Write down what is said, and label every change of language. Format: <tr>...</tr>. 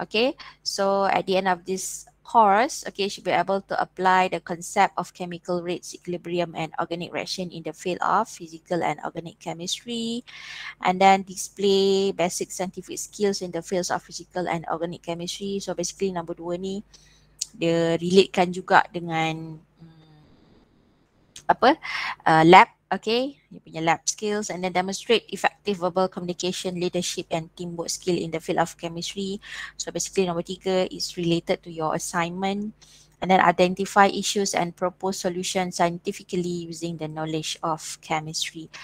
<en>Okay, so at the end of this course, okay, should be able to apply the concept of chemical rates, equilibrium and organic reaction in the field of physical and organic chemistry, and then display basic scientific skills in the fields of physical and organic chemistry. So basically number 2</en> <ms>ni dia relatekan juga dengan apa</ms> <en>lab, okay,</en> <ms>dia punya</ms> <en>lab skills, and then demonstrate effective verbal communication, leadership and teamwork skill in the field of chemistry. So basically number tiga is related to your assignment, and then identify issues and propose solutions scientifically using the knowledge of chemistry.</en>